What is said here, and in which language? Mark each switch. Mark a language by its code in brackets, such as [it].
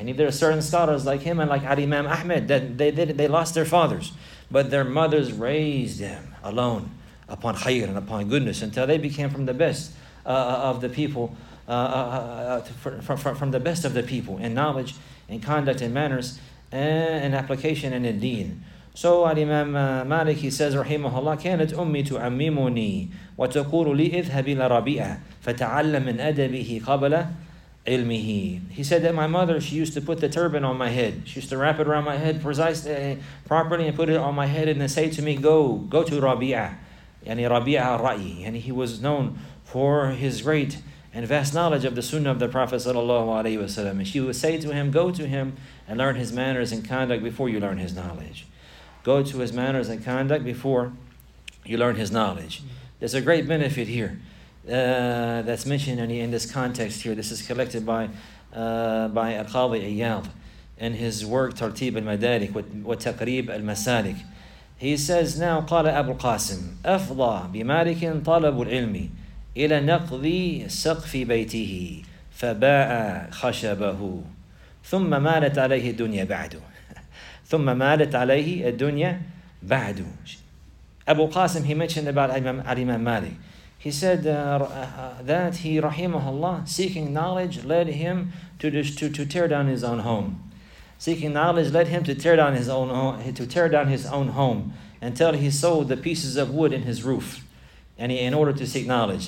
[en] And there are certain scholars like him and like Al-Imam Ahmed, that they lost their fathers, but their mothers raised them alone upon khayr and upon goodness until they became from the best of the people, from the best of the people in knowledge and conduct and manners and application and in deen. So Al-Imam Malik, he says, [ar] rahimahullah, كانت أمي تعممني وتقول لي اذهب إلى ربيعة فتعلم من أدبه قبل علمه. [en] He said that my mother, she used to put the turban on my head. She used to wrap it around my head precisely, properly, and put it on my head and then say to me, go to Rabi'a. Yani Rabi'a al-Ra'yi. And he was known for his great and vast knowledge of the Sunnah of the Prophet sallallahu alayhi wa sallam. And she would say to him, go to him and learn his manners and conduct before you learn his knowledge. Go to his manners and conduct before you learn his knowledge. There's a great benefit here that's mentioned in this context here. This is collected by Al-Qadhi Iyadh in his work Tartib al-Madarik wa Taqrib al-Masalik. He says now, [ar] قال أبو القاسم أفضى بمالك طلب العلم إلى نقض سقف بيته فباع خشبه ثم مالت عليه الدنيا بعده ثم مالت عليه الدنيا بعده. [en] Abu Qasim, he mentioned about Al-Imam Malik. He said that he, rahimahullah, seeking knowledge led him to tear down his own home. Seeking knowledge led him to tear down his own home until he sold the pieces of wood in his roof, and he, in order to seek knowledge.